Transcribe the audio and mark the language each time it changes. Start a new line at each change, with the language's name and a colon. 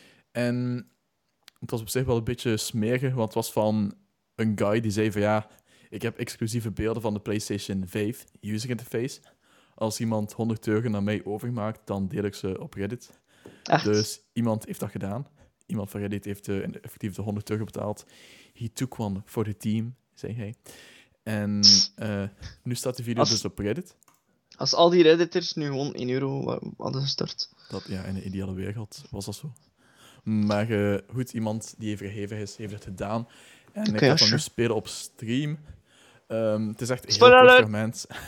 Dutch: En het was op zich wel een beetje smerig, want het was van een guy die zei van ja, ik heb exclusieve beelden van de PlayStation 5 user interface. Als iemand 100 euro naar mij overmaakt, dan deel ik ze op Reddit. Echt? Dus iemand heeft dat gedaan. Iemand van Reddit heeft effectief de 100 euro betaald.
English: He took one for the team,
Dutch: zei hij. En nu staat de video dus op Reddit. Als al die Redditors nu gewoon 1 euro hadden gestort. Dat, ja, in een ideale wereld was dat zo. Maar goed, iemand die even gegeven is, heeft het gedaan. En okay, ik ga dan nu spelen op stream. Het is echt een heel kort moment.